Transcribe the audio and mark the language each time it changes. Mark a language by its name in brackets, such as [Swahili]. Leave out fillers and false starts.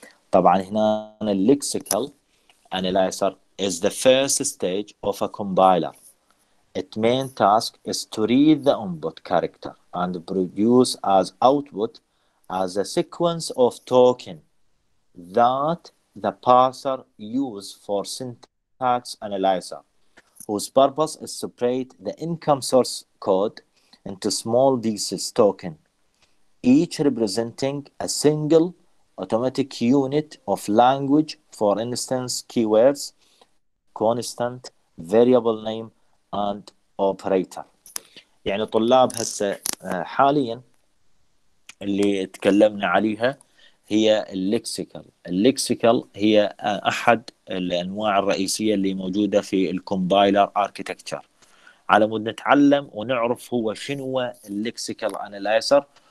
[Arabic] طبعا هنا [English] الليكسيكال analyzer is the first stage of a compiler. Its main task is to read the input character and produce as output as a sequence of token that the parser uses for syntax analyzer, whose purpose is to separate the income source code into small pieces token, each representing a single automatic unit of language, for instance, keywords, constant, variable name, and operator. [Arabic] يعني طلاب هسه حاليا اللي تكلمنا عليها هي الليكسيكال. الليكسيكال هي احد الانواع الرئيسيه اللي موجوده في الكومبايلر اركيتكتشر، على مود نتعلم ونعرف هو شنو الليكسيكال انالايزر.